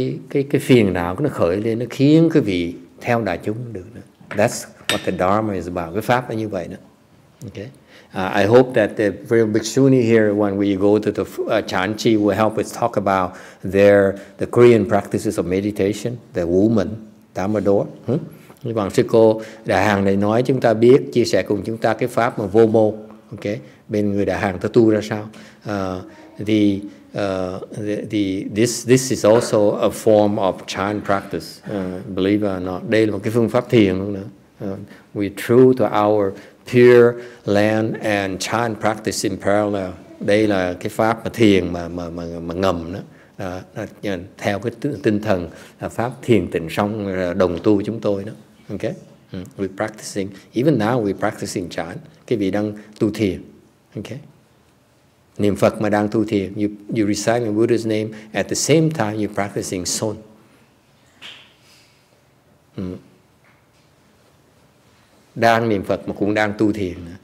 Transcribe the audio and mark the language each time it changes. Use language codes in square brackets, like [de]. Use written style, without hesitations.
[vi] Cái phiền não nó khởi lên, nó khiến quý vị theo đại chúng được. Nữa. [en] That's what the Dharma is about. [vi] Cái pháp là như vậy đó. Okay? [en] I hope that the real bhikshuni here, when we go to the chan chi, will help us talk about the Korean practices of meditation, the woman, Tamador. [vi] Như bạn sư cô đại hàng này nói chúng ta biết, chia sẻ cùng chúng ta cái pháp mà vô mô, okay? Bên người đại hàng ta tu ra sao? [en] this is also a form of chan practice, believe it or not. [vi] Đây là một cái phương pháp thiền nữa. [en] We true to our pure land and chan practice in parallel. [vi] Đây là cái pháp mà thiền mà ngầm đó. Theo cái tinh thần là pháp thiền tịnh song đồng tu chúng tôi đó. [en] Okay? We practicing. Even now we practicing chan. [vi] Cái vị đang tu thiền. Okay? Niệm Phật mà đang tu thiền. [en] You reciting Buddha's name at the same time you practicing son. [vi] Đang niệm Phật mà cũng đang tu thiền.